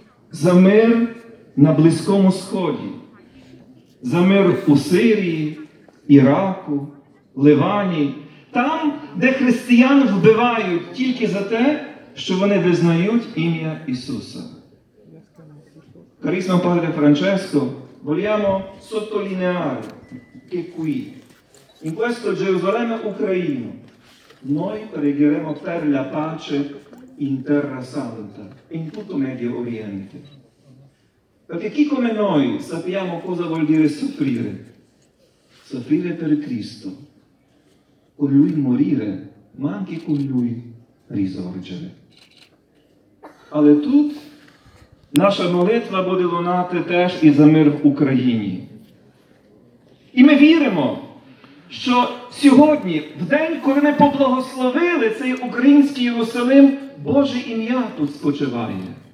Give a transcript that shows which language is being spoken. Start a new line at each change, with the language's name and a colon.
Ukrainian: За мир на Близькому Сході. За мир у Сирії, Іраку, Ливані. Там, де християн вбивають тільки за те, що вони визнають ім'я Ісуса.
Italian: Carissimo padre Francesco, vogliamo sottolineare che qui, in questo Gerusalemme ucraino, noi pregheremo per la pace in Terra Santa, in tutto Medio Oriente. Perché chi come noi sappiamo cosa vuol dire soffrire? Soffrire per Cristo, con Lui morire, ma anche con Lui risorgere.
Ukrainian: Але тут наша молитва буде лунати теж і за мир в Україні. І ми віримо, що сьогодні, в день, коли ми поблагословили цей український Єрусалим, Боже ім'я тут спочиває.